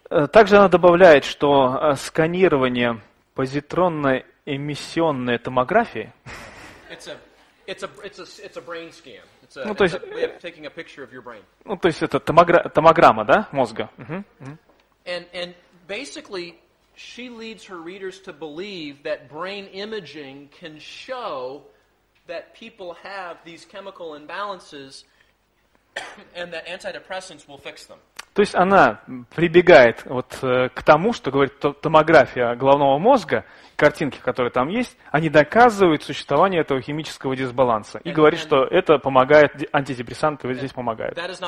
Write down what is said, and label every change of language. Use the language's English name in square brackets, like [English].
[Russian] Также она добавляет, что сканирование позитронной эмиссионной томографии. То есть это томограмма, да, мозга. [English] And basically, she leads her readers to believe that brain imaging can show that people have these chemical imbalances. And that antidepressants will fix them. [Russian] То есть она прибегает вот к тому, что говорит томография головного мозга, картинки, которые там есть, они доказывают существование этого химического дисбаланса и говорит, что это помогает, антидепрессанты вот здесь помогают.